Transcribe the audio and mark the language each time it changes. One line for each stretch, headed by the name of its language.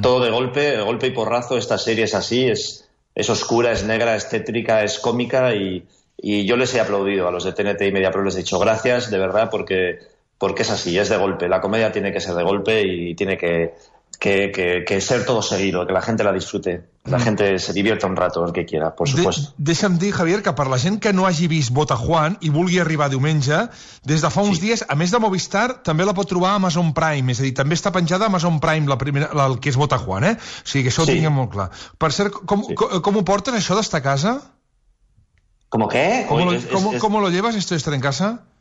Spanish: Todo de golpe y porrazo, esta serie es así, es oscura, es negra, es tétrica, es cómica y yo les he aplaudido a los de TNT y MediaPro, les he dicho gracias, de verdad, porque es así, es de golpe, la comedia tiene que ser de golpe y tiene que ser todo seguido, que la gente la disfrute. La gente se divierta un rato, el que quiera, por supuesto.
Catalan: Deixa'm dir, Javier, que per la gent que no hagi vist Vota Juan i vulgui arribar diumenge, des de fa uns dies, a més de Movistar, també la pot trobar a Amazon Prime. És a dir, també està penjada a Amazon Prime el que és Vota Juan, eh? O sigui, que això ho tinguem molt clar. Per cert, com ho porten, això d'estar a casa?
Spanish: ¿Cómo qué? ¿Cómo lo llevas, esto de estar en casa?